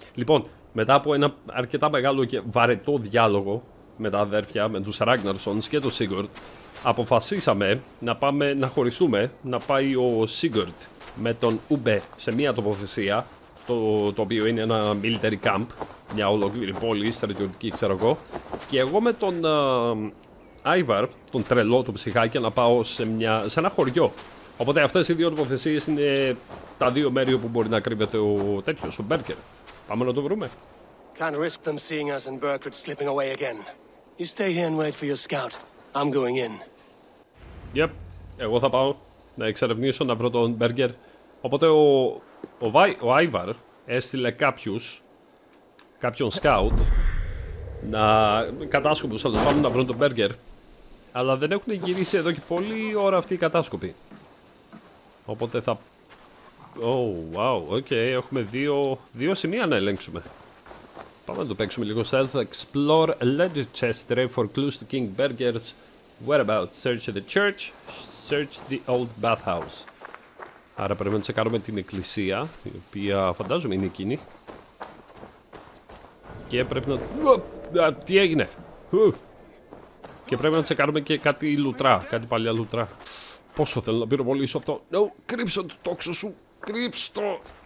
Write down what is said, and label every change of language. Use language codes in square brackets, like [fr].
[el] Λοιπόν, μετά από ένα αρκετά μεγάλο και βαρετό διάλογο με τα αδέρφια, με τους Ragnarsons και τον Sigurd, αποφασίσαμε να πάμε να χωριστούμε, να πάει ο Sigurd με τον Ούμπε σε μία τοποθεσία, το οποίο είναι ένα military camp, μια ολόκληρη πόλη, στρατιωτική ξέρω εγώ, και εγώ με τον Ivar, τον τρελό του ψυχάκια, να πάω σε ένα χωριό. Οπότε αυτές οι δύο τοποθεσίες είναι τα δύο μέρη όπου μπορεί να κρύβεται ο τέτοιος, ο Μπέρκερ. Πάμε να το βρούμε. [en] Can't risk them seeing us and Burkrit slipping away again. You stay here and wait for your scout. I'm going in. Yep. [el] Εγώ θα πάω να εξερευνήσω, να βρω τον Μπέργκερ. Οπότε ο Άιβαρ έστειλε κάποιον scout να κατάσκοπους, θα τους πάμε να βρουν τον Μπέργκερ. Αλλά δεν έχουν γυρίσει εδώ και πολλή ώρα αυτοί οι κατάσκοποι. Οπότε θα... Oh, wow, ok, έχουμε δύο σημεία να ελέγξουμε. Πάμε να το παίξουμε λίγο. [en] Stealth, explore a legend chest, ray for clues to King Berger's whereabouts. Search the church, search the old bathhouse. [el] Άρα πρέπει να τσεκάρουμε την εκκλησία, η οποία φαντάζομαι είναι εκείνη. Και πρέπει να... τι έγινε! Και πρέπει να τσεκάρουμε και κάτι λουτρά, κάτι παλιά λουτρά. Πόσο θέλω να πυροβολήσω αυτό. No, κρύψω το τόξο σου! Κρύψτο!